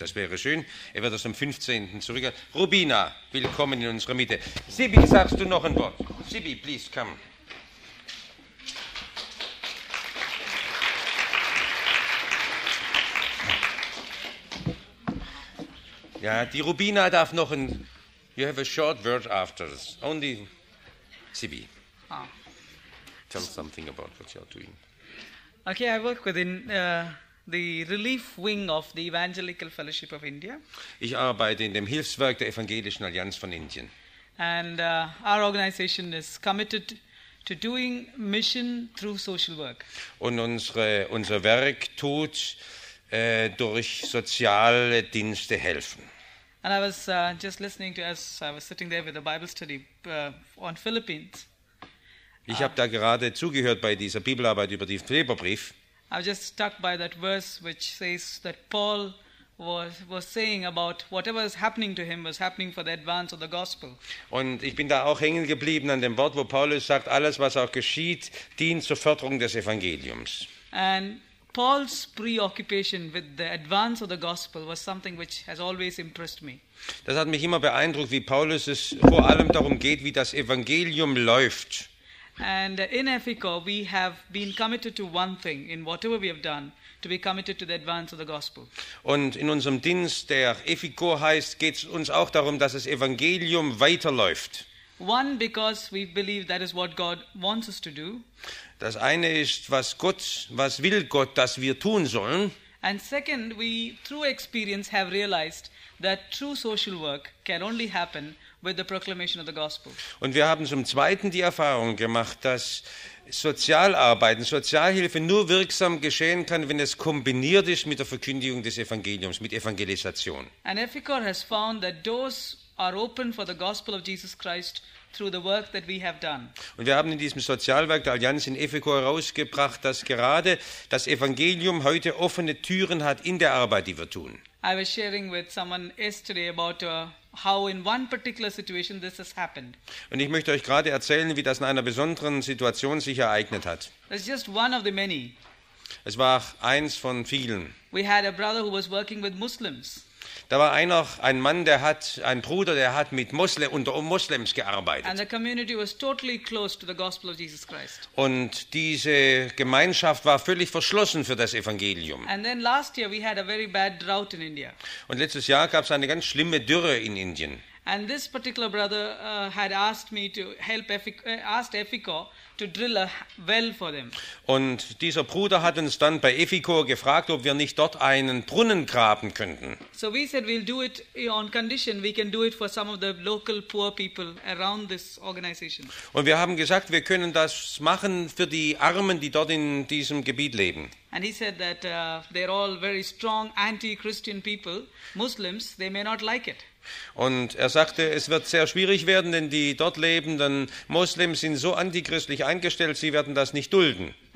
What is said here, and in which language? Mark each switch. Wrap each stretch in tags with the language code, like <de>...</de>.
<de>Das wäre schön. Er wird das am 15. zurück. Rubina, willkommen in unserer Mitte. Sibi, sagst du noch ein Wort? Sibi,</de> <en>please come.</en> <de>Ja, die Rubina darf noch ein...</de> <en>You have a short word after this. Only Sibi. Oh. Tell something about what you're doing. Okay, I work within the relief wing of the Evangelical Fellowship of India.</en> <de>Ich arbeite in dem Hilfswerk der Evangelischen Allianz von Indien.</de> <en>And our organization is committed to doing mission through social work.</en> <de>Und unser Werk tut durch soziale Dienste helfen.</de> <en>And I was just listening to us. I was sitting there with a Bible study on Philippines.</en> <de>Ich habe da gerade zugehört bei dieser Bibelarbeit über den Philipperbrief.</de> <en>I was just stuck by that verse, which says that Paul was saying about whatever is happening to him was happening for the advance of the gospel.</en> <de>Und ich bin da auch hängen geblieben an dem Wort, wo Paulus sagt, alles was auch geschieht, dient zur Förderung des Evangeliums.</de> <en>And Paul's preoccupation with the advance of the gospel was something which has always impressed me.</en> <de>Das hat mich immer beeindruckt, wie Paulus es vor allem darum geht, wie das Evangelium läuft.</de> <en>And in EFICO we have been committed to one thing in whatever we have done, to be committed to the advance of the gospel.</en> <de>Und in unserem Dienst, der EFICO heißt, geht es uns auch darum, dass das Evangelium weiterläuft.</de> <en>One, because we believe that is what God wants us to do.</en> <de>Das eine ist, was will Gott, dass wir tun sollen?</de> <en>And second, we through experience have realized that true social work can only happen with the proclamation of the gospel.</en> <de>Und wir haben zum zweiten die Erfahrung gemacht, dass Sozialarbeit und Sozialhilfe nur wirksam geschehen kann, wenn es kombiniert ist mit der Verkündigung des Evangeliums, mit Evangelisation.</de> <en>And EFICO has found that doors are open for the gospel of Jesus Christ through the work that we have done.</en> <de>Und wir haben in diesem Sozialwerk der Allianz in EFICO herausgebracht, dass gerade das Evangelium heute offene Türen hat in der Arbeit, die wir tun.</de> <en>I was sharing with someone yesterday about how in one particular situation this has happened.</en> <de>Und ich möchte euch gerade erzählen, wie das in einer besonderen Situation sich ereignet hat.</de> <en>It's just one of the many.</en> <de>Es war eins von vielen.</de> <en>We had a brother who was working with Muslims.</en> <de>Da war ein Mann, ein Bruder, der hat mit Muslims gearbeitet.</de> <en>And the community was totally closed to the gospel of Jesus Christ.</en> <de>Und diese Gemeinschaft war völlig verschlossen für das Evangelium.</de> <en>And then last year we had a very bad drought in India.</en> <de>Und letztes Jahr gab es eine ganz schlimme Dürre in Indien.</de> <en>And this particular brother had asked me to help EFICO to drill a well for them.</en> <de>Und dieser Bruder hat uns dann bei EFICO gefragt, ob wir nicht dort einen Brunnen graben könnten.</de> <en>So we said we'll do it on condition we can do it for some of the local poor people around this organization.</en> <de>Und wir haben gesagt, wir können das machen für die Armen, die dort in diesem Gebiet leben.</de> <en>And he said that they're all very strong anti-Christian people, Muslims, they may not like it.</en> <de>Und er sagte, es wird sehr schwierig werden, denn die dort lebenden Moslems sind so antichristlich eingestellt, sie werden das nicht dulden.</de>